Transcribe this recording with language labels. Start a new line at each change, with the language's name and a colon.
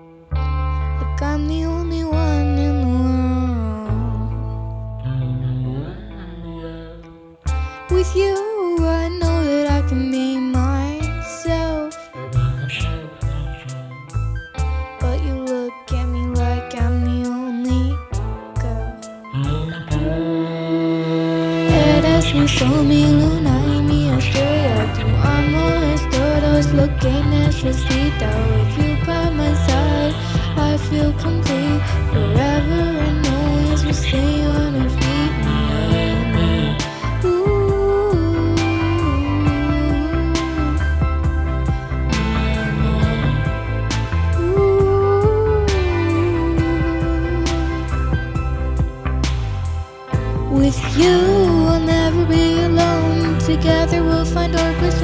English: I'm the only one in the world. With you, I know that I can be myself. But you look at me like I'm the only girl.
Spanish: Eres mi sol, mi luna y mi estrella. Tu amor es todo lo que necesito.
English: With you by my side, I feel complete. Forever and always we'll stay on our feet. Me and me, ooh. Me and me, ooh. With you, we'll never be alone. Together we'll find our